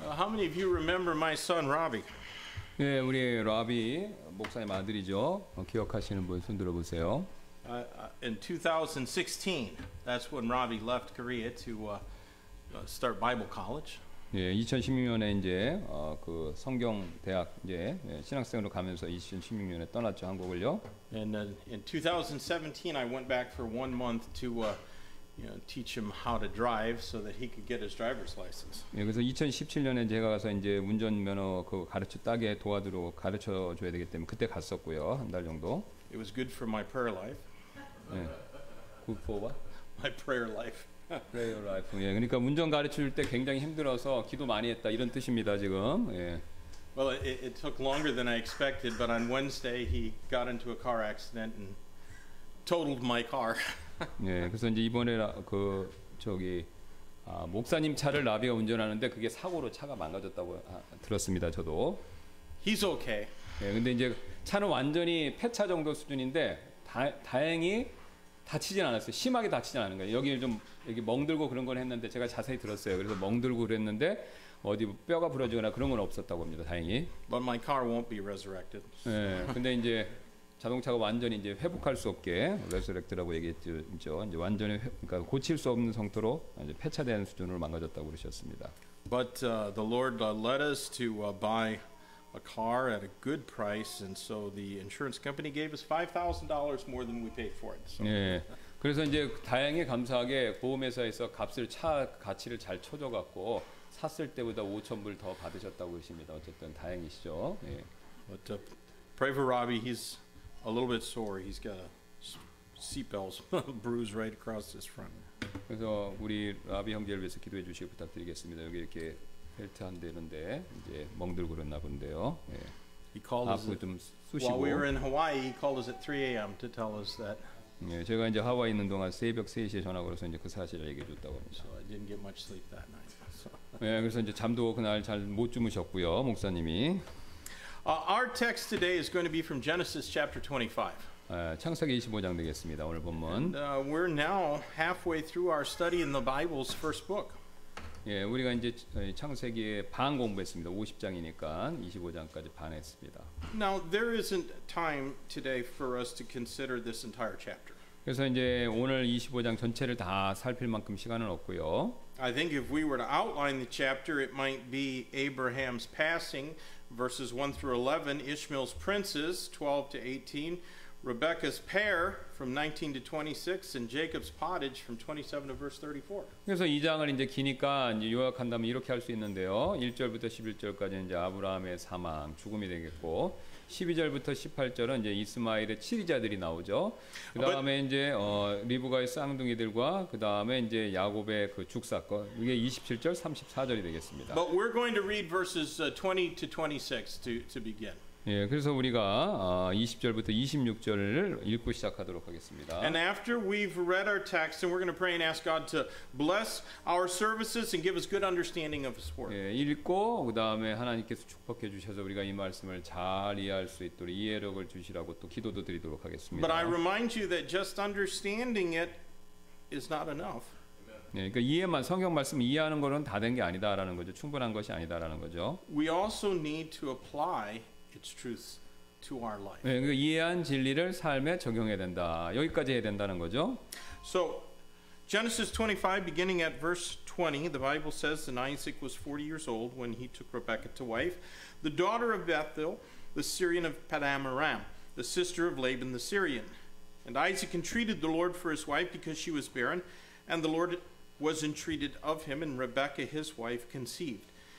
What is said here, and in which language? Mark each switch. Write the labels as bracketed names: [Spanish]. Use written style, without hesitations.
[English] many of you remember my son Ravi? [Korean] 네, 우리 라비 목사님 아들이죠. 기억하시는 분 손 들어보세요. [English] In 2016, that's when Ravi left Korea to start Bible college. [Korean] 예, 2016년에 이제 그 성경 대학 이제 신학생으로 가면서 2016년에 떠났죠, 한국을요. [English] And in 2017, I went back for one month to teach him how to drive so that he could get his driver's license. [Korean] 예, 그래서 2017년에 제가 가서 이제 운전면허 그 가르쳐 따게 도와드리고 가르쳐 줘야 되기 때문에 그때 갔었고요, 한 달 정도. [English] It was good for my prayer life. 예. Good for what? My prayer life. Prayer life. [Korean] 예, 그러니까 운전 가르칠 때 굉장히 힘들어서 기도 많이 했다 이런 뜻입니다 지금. 예. [English] Well, it took longer than I expected, but on Wednesday he got into a car accident and totaled my car. [Korean] 예, 그래서 이제 이번에 그 저기 목사님 차를 라비가 운전하는데 그게 사고로 차가 망가졌다고 들었습니다 저도. [English] He's okay. [Korean] 예, 근데 이제 차는 완전히 폐차 정도 수준인데 다행히 다치진 않았어요. 심하게 다치진 않은 거예요. 여기 좀 여기 멍들고 그런 걸 했는데 제가 자세히 들었어요. 그래서 멍들고 그랬는데 어디 뼈가 부러지거나 그런 건 없었다고 합니다. 다행히. [English] But my car won't be resurrected. [Korean] 네. 근데 이제 자동차가 완전히 이제 회복할 수 없게 resurrected라고 얘기했죠. 이제 완전히 그러니까 고칠 수 없는 상태로 이제 폐차된 수준으로 망가졌다고 그러셨습니다. [English] But the Lord led us to buy a car at a good price, and so the insurance company gave us $5,000 more than we paid for it. [Korean] 네, 그래서 이제 다행히 감사하게 보험회사에서 값을 차 가치를 잘 쳐줘갖고 샀을 때보다 5천 불 더 받으셨다고 그러십니다. 어쨌든 다행이시죠. 네. [English] But pray for Robbie. He's a little bit sore. He's got a seatbelt bruise right across his front. [Korean] 그래서 우리 라비 형제를 위해서 기도해 주시기 부탁드리겠습니다. 여기 이렇게. 벨트 안 되는데 이제 멍들고 그랬나 본데요. 예. [English] He called us at, while we were in Hawaii. He called us at 3 a.m. to tell us that. [Korean] 예, 제가 이제 하와이 있는 동안 새벽 3시에 전화 걸어서 이제 그 사실을 얘기해 줬다고 합니다. [English] So I didn't get much sleep that night. So. [Korean] 예, 그래서 이제 잠도 그날 잘 못 주무셨고요, 목사님이. [English] Our text today is going to be from Genesis chapter 25. [Korean] 예, 창세기 25장 되겠습니다. 오늘 본문. [English] And, we're now halfway through our study in the Bible's first book. [Korean] 예, 우리가 이제 창세기의 반 공부했습니다. 50장이니까 25장까지 반했습니다. [English] Now there isn't time today for us to consider this entire chapter. [Korean] 그래서 이제 오늘 25장 전체를 다 살필 만큼 시간은 없고요. [English] I think if we were to outline the chapter, it might be Abraham's passing, verses 1 through 11, Ishmael's princes, 12 to 18, Rebecca's pair from 19 to 26 and Jacob's pottage from 27 to verse 34. [Korean] 그래서 이 장을 이제 기니까 이제 요약한다면 이렇게 할 수 있는데요. 1절부터 11절까지는 이제 아브라함의 사망, 죽음이 되겠고 12절부터 18절은 이제 이스마엘의 칠이자들이 나오죠. 그다음에 But, 이제 리브가의 쌍둥이들과 그다음에 이제 야곱의 그 죽사건. 이게 27절, 34절이 되겠습니다. [English] But we're going to read verses 20 to 26 to begin. [Korean] 예, 그래서 우리가 20절부터 26절을 읽고 시작하도록 하겠습니다. [English] And after we've read our text, and we're going to pray and ask God to bless our services and give us good understanding of His word. [Korean] 예, 읽고 그 다음에 하나님께서 축복해 주셔서 우리가 이 말씀을 잘 이해할 수 있도록 이해력을 주시라고 또 기도도 드리도록 하겠습니다. [English] But I remind you that just understanding it is not enough. [Korean] 네, 그러니까 이해만 성경 말씀 이해하는 것은 다 된 게 아니다라는 거죠. 충분한 것이 아니다라는 거죠. [English] We also need to apply. It's truth to our life. [Korean] 네, 그 이해한 진리를 삶에 적용해야 된다. 여기까지 해야 된다는 거죠. [English] So, Genesis 25, beginning at verse 20, the Bible says that Isaac was 40 years old when he took Rebekah to wife, the daughter of Bethuel, the Syrian of Padan Aram, the sister of Laban the Syrian. And Isaac entreated the Lord for his wife because she was barren, and the Lord was entreated of him, and Rebekah his wife conceived.